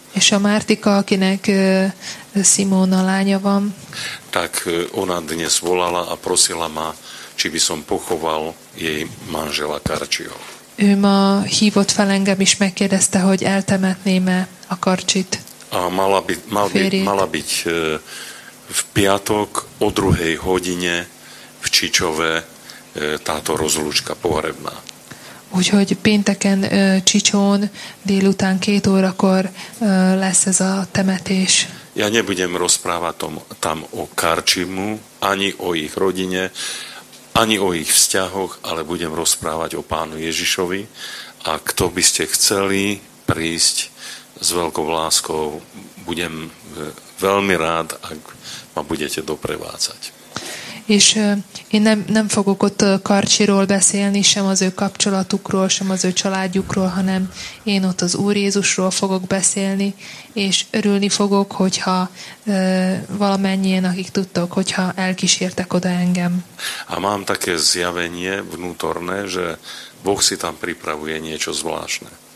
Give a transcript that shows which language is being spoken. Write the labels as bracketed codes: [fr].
[hu] És a Martika, akinek Simona lánya van. [sk] Tak ona dnes volala a prosila ma, či by som pochoval jej manžela Karcsiho. [hu] Ő ma hívott fel engem is, megkérdezte, hogy eltemetném-e a Karcsit. [sk] A mala byť v piatok o 2. hodine v Čičove táto rozlúčka pohrebná. [hu] Úgyhogy pénteken Čičón délután 2 órakor lesz ez a temetés. [sk] Ja nebudem rozprávať tam o Karčimu, ani o ich rodine, ani o ich vzťahoch, ale budem rozprávať o Pánu Ježišovi. A kto by ste chceli prísť s veľkou láskou, budem veľmi rád, ak ma budete doprevádzať. [hu] És én nem fogok ott Karcsiról beszélni, sem az ő kapcsolatukról, sem az ő családjukról, hanem én ott az Úr Jézusról fogok beszélni, és örülni fogok, hogyha valamennyien, akik tudtok, hogyha elkísértek oda engem. [sk] A mám také zjavenie vnútorné, že Boh si tam pripravuje niečo zvláštne.